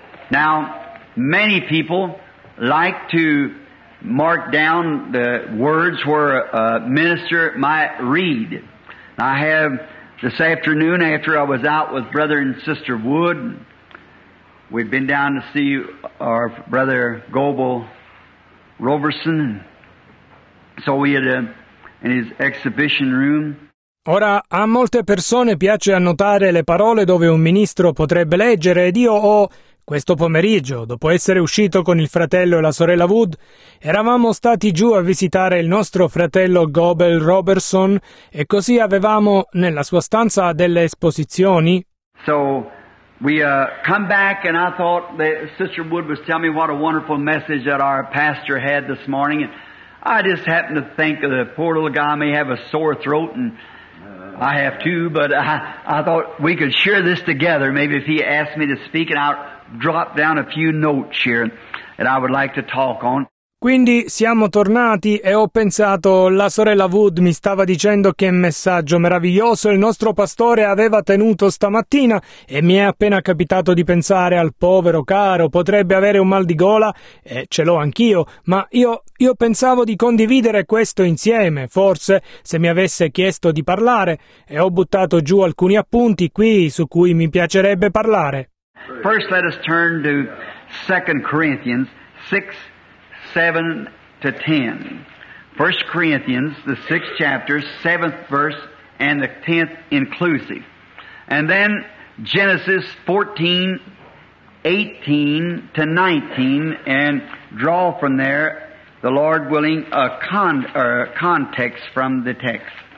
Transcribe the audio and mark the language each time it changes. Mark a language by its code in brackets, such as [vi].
[en] Now, many people like to mark down the words where a minister might read. I have this afternoon, after I was out with Brother and Sister Wood, we'd been down to see our Brother Goble Roberson, so we had in his exhibition room. [it] Ora, a molte persone piace annotare le parole dove un ministro potrebbe leggere, ed io ho... Questo pomeriggio, dopo essere uscito con il fratello e la sorella Wood, eravamo stati giù a visitare il nostro fratello Goble Roberson, e così avevamo nella sua stanza delle esposizioni. [en] So we come back and I thought that Sister Wood was telling me what a wonderful message that our pastor had this morning, and I just happened to think of the poor little guy may have a sore throat, and I have too, but I thought we could share this together, maybe if he asked me to speak it out. Drop down a few notes here that I would like to talk on. [it] Quindi siamo tornati e ho pensato, la sorella Wood mi stava dicendo che messaggio meraviglioso il nostro pastore aveva tenuto stamattina, e mi è appena capitato di pensare al povero caro, potrebbe avere un mal di gola, e ce l'ho anch'io, ma io pensavo di condividere questo insieme, forse, se mi avesse chiesto di parlare, e ho buttato giù alcuni appunti qui su cui mi piacerebbe parlare. [en] First, let us turn to 2 Corinthians 6, 7 to 10. 1 Corinthians, the 6th chapter, 7th verse, and the 10th inclusive. And then Genesis 14, 18 to 19, and draw from there, the Lord willing, a context from the text.